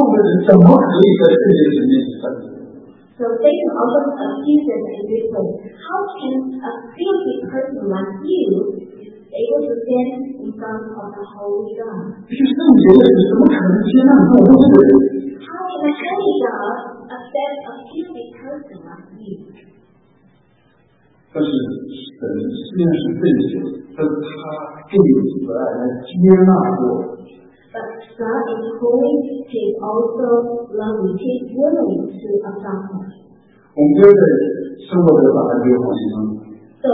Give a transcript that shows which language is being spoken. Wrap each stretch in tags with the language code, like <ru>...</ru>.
<zh>他常常讲一个谎言，就是说，是你们这些肮脏的人，这些肮脏的人，怎么可以在圣洁里面站着？So</zh> <en>Satan often accuses and says, how can a filthy person like you be able to stand in front of the Holy God?</en> <zh>这些圣洁的人怎么可能接纳这种恶人？How</zh> <en>can a holy God accept a filthy person like you?</en> <zh>但是神虽然是圣洁，但是他更有慈爱来接纳我们。我们不要在生活的谎言中。So</zh>